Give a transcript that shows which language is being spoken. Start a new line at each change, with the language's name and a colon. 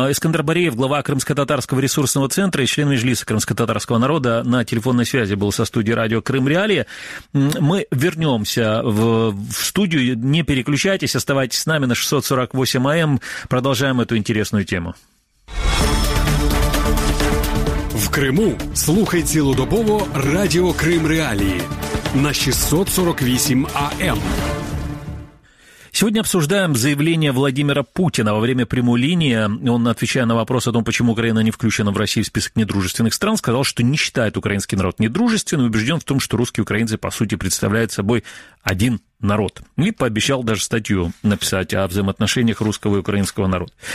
Russian: Искандер Бариев, глава Крымско-Татарского ресурсного центра и член Межлиса Крымско-Татарского народа, на телефонной связи был со студией радио «Крым Реалии». Мы вернемся в студию. Не переключайтесь, оставайтесь с нами на 648 АМ. Продолжаем эту интересную тему.
Ukrainian: В Криму слухай цілодобово Радіо Крим Реалії на 648 АМ.
Russian: Сегодня обсуждаем заявление Владимира Путина во время прямой линии. Он, отвечая на вопрос о том, почему Украина не включена в Россию в список недружественных стран, сказал, что не считает украинский народ недружественным, убежден в том, что русские и украинцы, по сути, представляют собой один народ. И пообещал даже статью написать о взаимоотношениях русского и украинского народа.